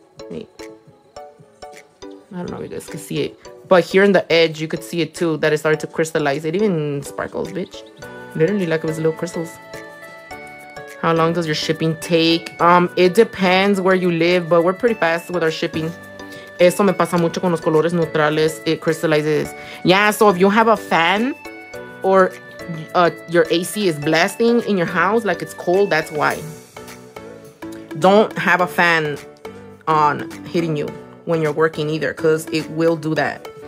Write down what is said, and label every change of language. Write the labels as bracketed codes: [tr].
[en] Wait. I don't know if you guys can see it. But here in the edge, you could see it too, that it started to crystallize. It even sparkles, bitch. Literally, like it was little crystals. How long does your shipping take? It depends where you live, but we're pretty fast with our shipping. [es] Eso me pasa mucho con los colores neutrales. [en] It crystallizes. Yeah, so if you have a fan or your AC is blasting in your house, like it's cold, that's why. Don't have a fan on hitting you when you're working either, because it will do that.